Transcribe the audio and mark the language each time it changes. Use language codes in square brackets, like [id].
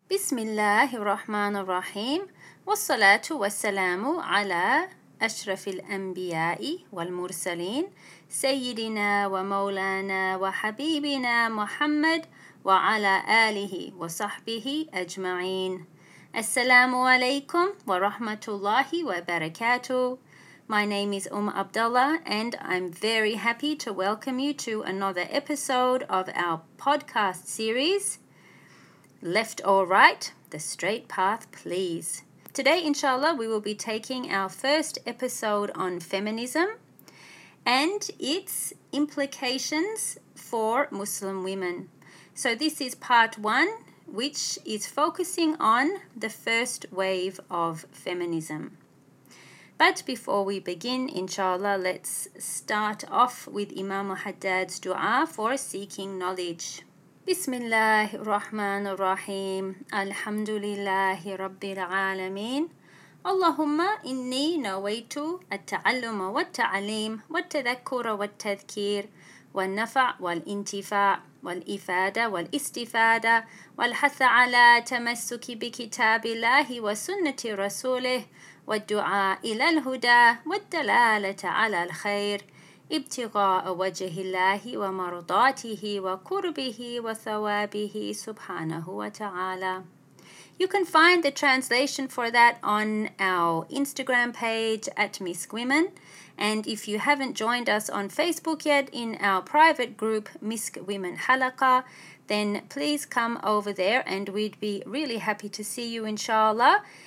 [ar] بسم الله الرحمن الرحيم والصلاة والسلام على أشرف الأنبياء والمرسلين سيدنا ومولانا وحبيبنا محمد وعلى آله وصحبه أجمعين. السلام عليكم ورحمة الله وبركاته. [en] My name is Abdullah and I'm very happy to welcome you to another episode of our podcast series, Left or Right, The Straight Path, Please. Today, inshallah, we will be taking our first episode on feminism and its implications for Muslim women. So this is part one, which is focusing on the first wave of feminism. But before we begin, inshallah, let's start off with Imam Haddad's dua for seeking knowledge. [ar] بسم الله الرحمن الرحيم الحمد لله رب العالمين اللهم إني نويت التعلم والتعليم والتذكر والتذكير والنفع والانتفاع والإفادة والاستفادة والحث على تمسك بكتاب الله وسنة رسوله والدعاء إلى الهدى والدلالة على الخير ابتغاء وجه الله ومرضاته وقربه وثوابه سبحانه وتعالى. [en] You can find the translation for that on our Instagram page at Miss Women. And if you haven't joined us on Facebook yet in our private group, Miss Women Halaqa, then please come over there and we'd be really happy to see you, inshallah.